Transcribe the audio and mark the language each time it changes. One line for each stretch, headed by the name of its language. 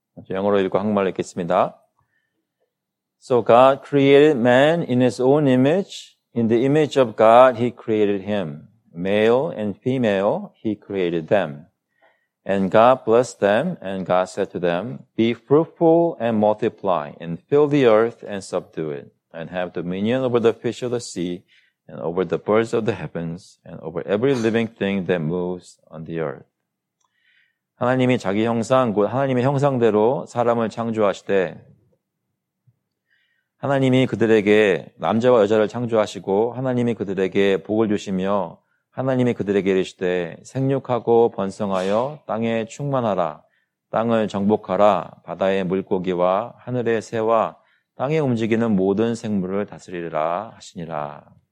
Korean: 영어로 읽고 한국말로 읽겠습니다.
English: So God created man in his own image. In the image of God, he created him. Male and female, he created them. And God blessed them, and God said to them, Be fruitful and multiply, and fill the earth and subdue it, and have dominion over the fish of the sea, and over the birds of the heavens, and over every living thing that moves on the earth.
Korean: 하나님이 자기 형상, 곧 하나님의 형상대로 사람을 창조하시되, 하나님이 그들에게 남자와 여자를 창조하시고, 하나님이 그들에게 복을 주시며, 하나님이 그들에게 이르시되 생육하고 번성하여 땅에 충만하라 땅을 정복하라 바다의 물고기와 하늘의 새와 땅에 움직이는 모든 생물을 다스리리라 하시니라.